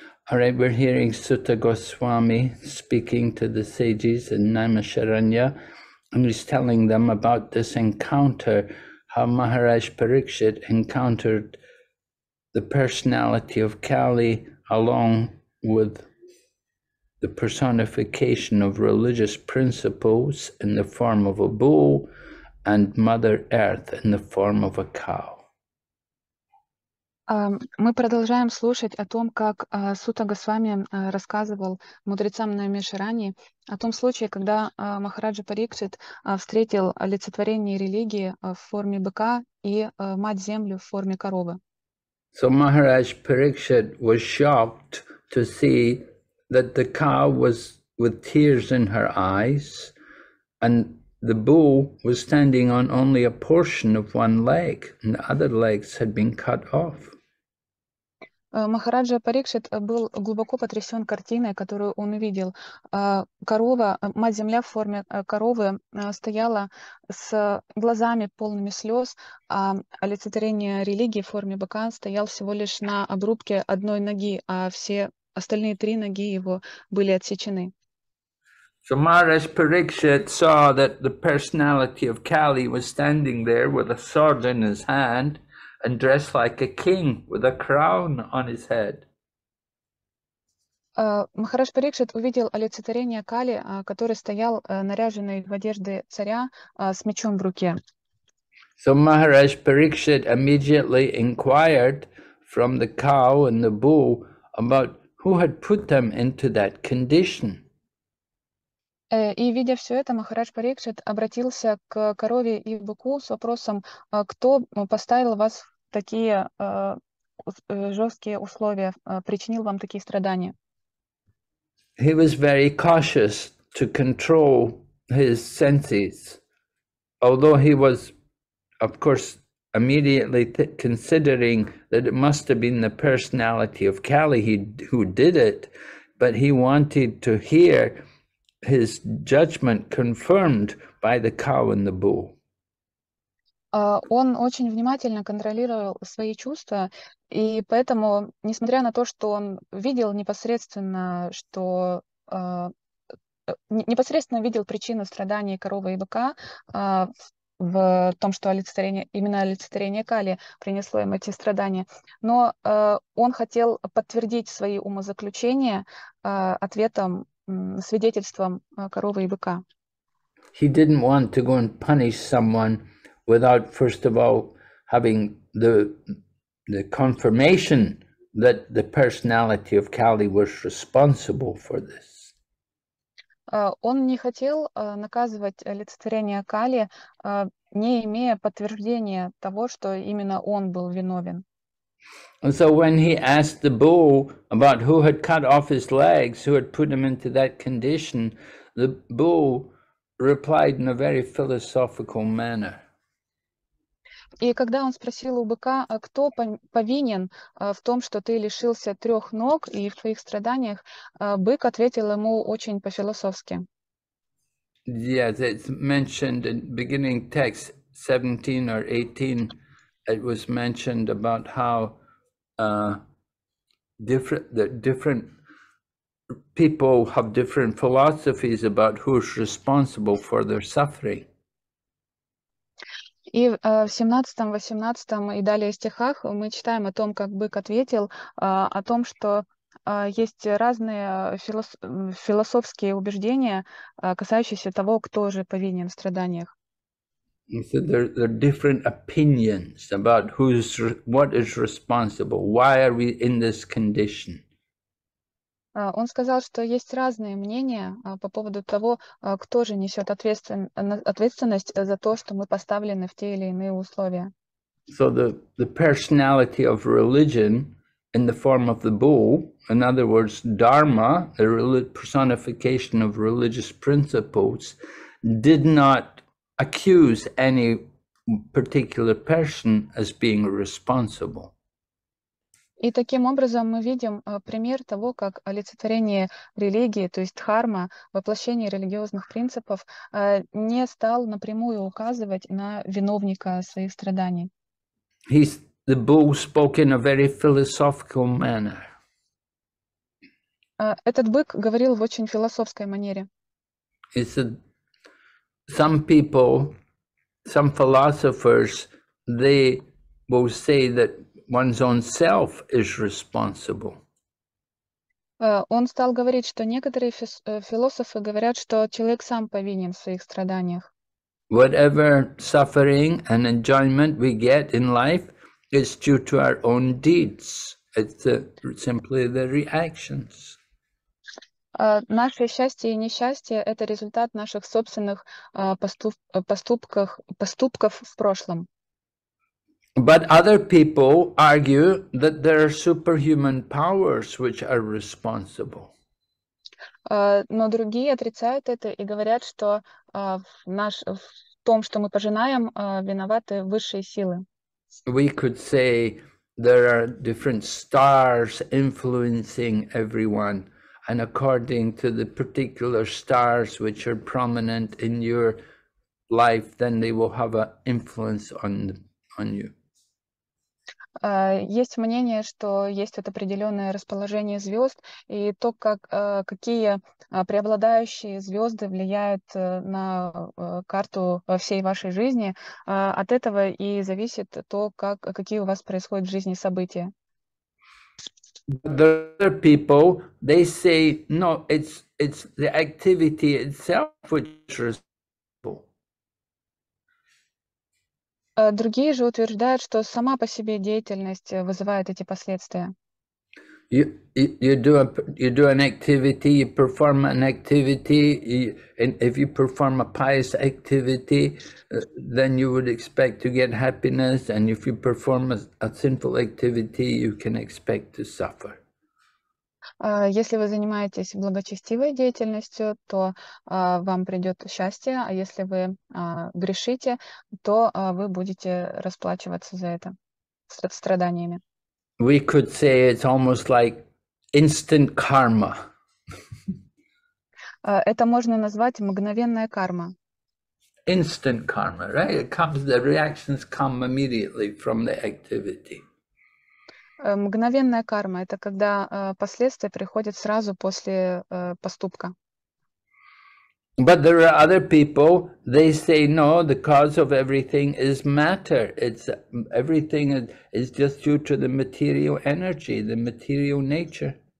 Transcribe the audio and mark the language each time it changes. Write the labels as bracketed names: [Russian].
[English] All right, we're hearing Sutta Goswami speaking to the sages in Naimasharanya, and he's telling them about this encounter, how Maharaj Parikshit encountered the personality of Kali along with the personification of religious principles in the form of a bull and Mother Earth in the form of a cow. [Russian] Мы продолжаем слушать о том, как Сута Госвами рассказывал мудрецам Наймишарани о том случае, когда Махараджа Парикшит встретил олицетворение религии в форме быка и мать-землю в форме коровы. [English] So Maharaj Parikshit was shocked to see that the cow was with tears in her eyes and the bull was standing on only a portion of one leg and the other legs had been cut off. [Russian] Махараджа Парикшит был глубоко потрясен картиной, которую он увидел. Корова, мать-земля в форме коровы стояла с глазами полными слез, а олицетворение религии в форме быка стоял всего лишь на обрубке одной ноги, а все остальные три ноги его были отсечены. [English] So Maharaj Parikshit saw that the personality of Kali was standing there with a sword in his hand and dressed like a king with a crown on his head. [Russian] Махараш Парикшит увидел олицетворение Кали, который стоял наряженный в одежды царя с мечом в руке. [English] So Maharaj Parikshit immediately inquired from the cow and the bull about who had put them into that condition. [Russian] И, видя все это, Махарадж Парикшит обратился к корове и быку с вопросом, кто поставил вас в такие жесткие условия, причинил вам такие страдания. [English] He was very cautious to control his senses, although he was, of course, immediately th considering that it must have been the personality of Kali who did it, but he wanted to hear his judgment confirmed by the cow and the bull. [Russian] Он очень внимательно контролировал свои чувства, и поэтому, несмотря на то, что он видел непосредственно, что непосредственно видел причину страдания коровы и быка в том, что олицетворение, именно олицетворение Кали принесло им эти страдания, но он хотел подтвердить свои умозаключения ответом, свидетельством коровы и быка. [English] He didn't want to go and punish someone without first of all having the confirmation that the personality of Kali was responsible for this. [Russian] Он не хотел наказывать олицетворение Кали, не имея подтверждения того, что именно он был виновен. [English] And so when he asked the bull about who had cut off his legs, who had put him into that condition, the bull replied in a very philosophical manner. [Russian] И когда он спросил у быка, кто повинен в том, что ты лишился трех ног и в твоих страданиях, бык ответил ему очень по-философски. [English] Yes, it's mentioned in beginning text 17 or 18, it was mentioned about how different people have different philosophies about who's responsible for their suffering. [Russian] И в 17, 18 и далее стихах мы читаем о том, как бык ответил, о том, что есть разные философские убеждения, касающиеся того, кто же повинен в страданиях. [English] So there are different opinions about who's, what is responsible, why are we in this condition. [Russian] Он сказал, что есть разные мнения по поводу того, кто же несет ответственность за то, что мы поставлены в те или иные условия. [English] So the personality of religion in the form of the bull, in other words, dharma, the personification of religious principles, did not accuse any particular person as being responsible. [Russian] И таким образом мы видим пример того, как олицетворение религии, то есть дхарма, воплощение религиозных принципов, не стал напрямую указывать на виновника своих страданий. [English] The bull spoke in a very philosophical manner. [Russian] Этот бык говорил в очень философской манере. [English] He said, some people, some philosophers, they will say that one's own self is responsible. [Russian] Он стал говорить, что некоторые философы говорят, что человек сам повинен в своих страданиях. [English] Whatever suffering and enjoyment we get in life is due to our own deeds. It's simply the reactions. [Russian] Наше счастье и несчастье — это результат наших собственных поступков в прошлом. [English] But other people argue that there are superhuman powers which are responsible. [Russian] Но другие отрицают это и говорят, что в том, что мы пожинаем, виноваты высшие силы. [English] We could say there are different stars influencing everyone, and according to the particular stars which are prominent in your life, then they will have an influence on you. [Russian] Есть мнение, что есть вот определенное расположение звезд, и то, как какие преобладающие звезды влияют на карту всей вашей жизни, от этого и зависит то, как какие у вас происходят в жизни события. [English] Other people, they say, no, it's the activity itself which is. [Russian] Другие же утверждают, что сама по себе деятельность вызывает эти последствия. [English] You do an activity, you perform an activity, and if you perform a pious activity, then you would expect to get happiness, and if you perform a sinful activity, you can expect to suffer. [Russian] Если вы занимаетесь благочестивой деятельностью, то вам придет счастье, а если вы грешите, то вы будете расплачиваться за это страданиями. [English] We could say it's almost like instant karma. [Russian] Это можно назвать мгновенная карма. [English] Instant karma, right? It comes, the reactions come immediately from the activity. [Russian] Мгновенная карма — это когда последствия приходят сразу после поступка. [English] But there are other people, they say, no, the cause of everything is matter. It's everything is just due to the material energy, the material nature.